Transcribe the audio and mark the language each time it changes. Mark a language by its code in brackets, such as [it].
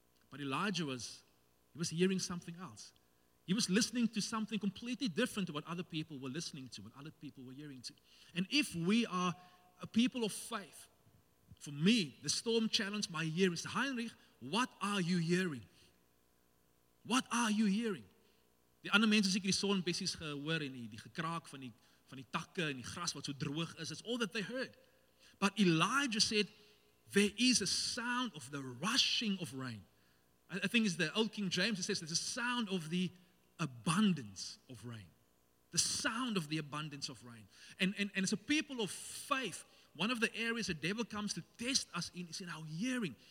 [en] But Elijah was hearing something else. He was listening to something completely different to what other people were listening to, what other people were hearing to. And if we are a people of faith, for me, the storm challenged my hearing. Heinrich, what are you hearing? What are you hearing? [af] Die ander mense seker die son bessies gehoor en die gekraak van die takke en die gras wat so droog is. [en] It's all that they heard. But Elijah said, there is a sound of the rushing of rain. I think it's the old King James. It says there's a sound of the abundance of rain. The sound of the abundance of rain. And as a people of faith, one of the areas the devil comes to test us in is in our hearing.